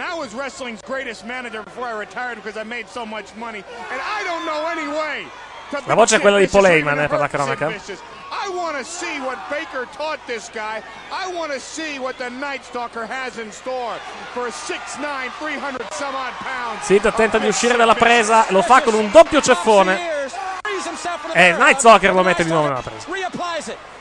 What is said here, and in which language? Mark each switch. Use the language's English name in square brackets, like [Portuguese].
[English] I was wrestling's greatest manager before I retired because I made so much money and I don't know any way. [Italian] La voce è quella di Paul Heyman, per la cronaca. [English] I want to see what Baker taught this guy. I want to see what the Night Stalker has in store for a 6'9 300 some odd pounds. [Italian] Sid tenta di uscire dalla presa, lo fa con un doppio ceffone. E Night Stalker lo mette di nuovo nella presa.